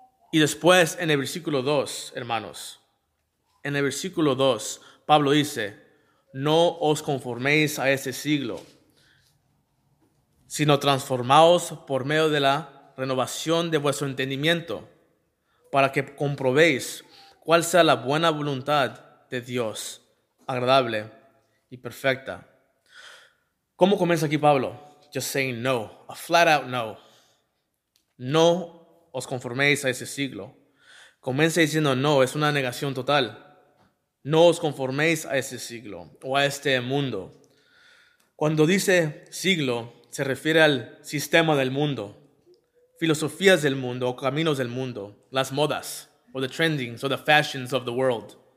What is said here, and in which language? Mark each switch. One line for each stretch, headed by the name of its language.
Spanish: Y después, en el versículo 2, hermanos, en el versículo 2, Pablo dice, no os conforméis a este siglo, sino transformaos por medio de la renovación de vuestro entendimiento, para que comprobéis cuál sea la buena voluntad de Dios, agradable y perfecta. ¿Cómo comienza aquí Pablo?
English: Just saying no, a flat out no.
Spanish: No os conforméis a ese siglo. Comienza diciendo no, es una negación total. No os conforméis a ese siglo o a este mundo. Cuando dice siglo, se refiere al sistema del mundo, filosofías del mundo o caminos del mundo, las modas, o
English: the trendings, or the fashions of the world.